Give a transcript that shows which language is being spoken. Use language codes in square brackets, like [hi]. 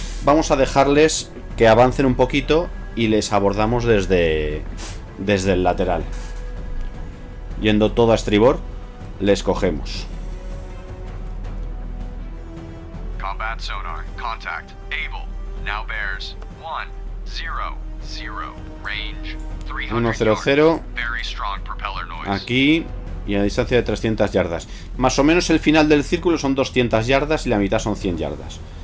[es] Vamos a dejarles que avancen un poquito y les abordamos desde el lateral. Yendo todo a estribor, les cogemos. [en] Combat sonar, contact, able, now bears, 1-0-0, range, 300 yards, very strong propeller noise. [es] Aquí, y a distancia de 300 yardas. Más o menos el final del círculo son 200 yardas y la mitad son 100 yardas.